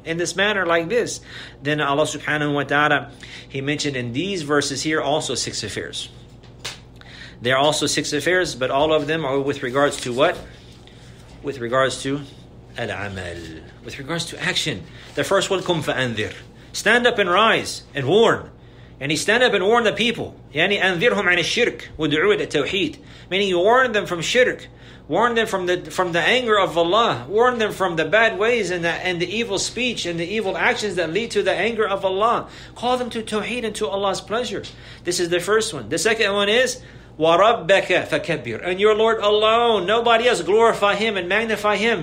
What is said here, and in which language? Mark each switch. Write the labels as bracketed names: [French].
[English] In this manner, like this. Then Allah subhanahu wa ta'ala, He mentioned in these verses here also six affairs. There are also six affairs, but all of them are with regards to what? With regards to al-amal. With regards to action. The first one, [Arabic] kum fa'anzir. [English] Stand up and rise and warn. And he stand up and warn the people. [Arabic] يعني أنذرهم عن الشرك ودعوة التوحيد. [English] Meaning you warn them from shirk. Warn them from the anger of Allah. Warn them from the bad ways and the evil speech and the evil actions that lead to the anger of Allah. Call them to tawheed and to Allah's pleasure. This is the first one. The second one is [Arabic] وَرَبَّكَ فَكَبِّرْ [English] And your Lord alone, nobody else, glorify Him and magnify Him.